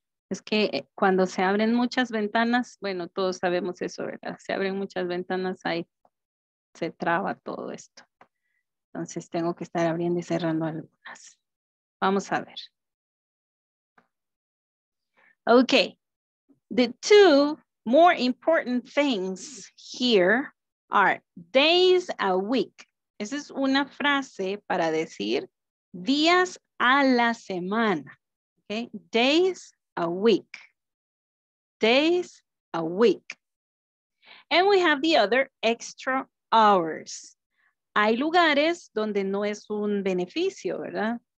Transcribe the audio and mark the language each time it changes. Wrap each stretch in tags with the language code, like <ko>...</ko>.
<es>Es que cuando se abren muchas ventanas, bueno, todos sabemos eso, ¿verdad? Se abren muchas ventanas, ahí se traba todo esto. Entonces tengo que estar abriendo y cerrando algunas. Vamos a ver. Ok.</es> <en>The two more important things here are days a week.</en> <es>Esa es una frase para decir días a la semana.</es> <en>Okay? Days a week. Days a week. And we have the other extra hours.</en> <es>Hay lugares donde no es un beneficio, ¿verdad?</es>